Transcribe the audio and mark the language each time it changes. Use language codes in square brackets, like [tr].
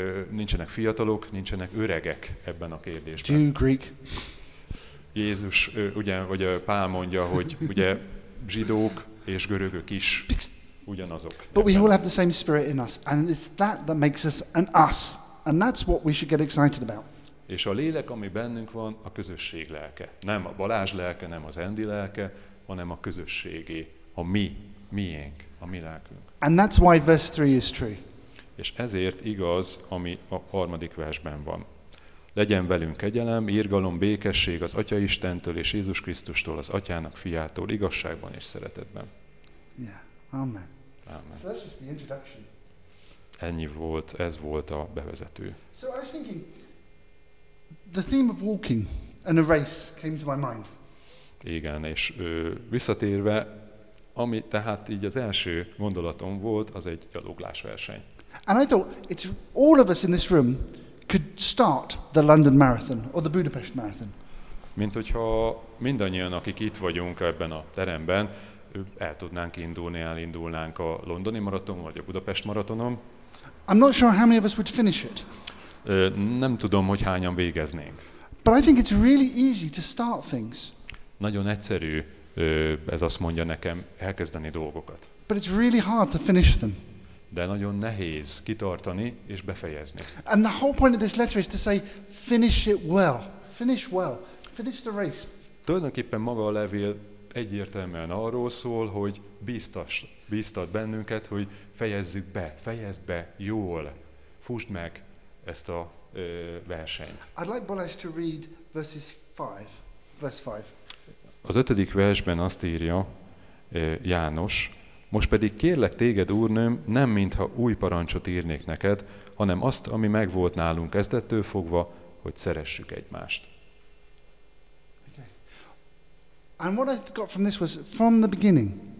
[hu] Nincsenek fiatalok, nincsenek öregek ebben a kérdésben. [en] Jew, Greek. [hu] Jézus, ugye, vagy Pál mondja, hogy ugye zsidók és görögök is ugyanazok. [en] But we all have the same spirit in us, and it's that that makes us an us, and that's what we should get excited about. [hu] És a lélek, ami bennünk van, a közösség lelke. Nem a Balázs lelke, nem az Endi lelke, hanem a közösségé, a mi, miénk, a mi lelkünk. [en] And that's why verse 3 is true. [hu] És ezért igaz, ami a harmadik versben van. Legyen velünk kegyelem, irgalom, békesség az Atya Istentől és Jézus Krisztustól, az Atyának fiától, igazságban és szeretetben. [en] Yeah. Amen. Amen. So that's just the introduction. [hu] Ennyi volt, ez volt a bevezető. [en] So I was thinking, the theme of walking and a race came to my mind. [hu] Igen, és visszatérve, ami tehát így az első gondolatom volt, az egy gyaloglásverseny. [en] And I thought, it's all of us in this room could start the London Marathon or the Budapest Marathon. [hu] Mint hogyha mindannyian, akik itt vagyunk ebben a teremben, el tudnánk indulni, elindulnánk a londoni maraton vagy a Budapest maratonon. [en] I'm not sure how many of us would finish it. [hu] Nem tudom, hogy hányan végeznénk. [en] But I think it's really easy to start things. [hu] Nagyon egyszerű, ez azt mondja nekem, elkezdeni dolgokat. [en] But it's really hard to finish them. [hu] De nagyon nehéz kitartani és befejezni. [en] And the whole point of this letter is to say, finish it well. Finish well. Finish the race. [hu] Tulajdonképpen maga a levél egyértelműen arról szól, hogy bíztat bennünket, hogy fejezzük be, fejezd be jól, fussd meg ezt a versenyt. [en] I'd like Balázs to read verse 5. [hu] Az ötödik versben azt írja János, most pedig kérlek téged, úrnőm, nem mintha új parancsot írnék neked, hanem azt, ami megvolt nálunk kezdettől fogva, hogy szeressük egymást. [en] And what I got from this was from the beginning.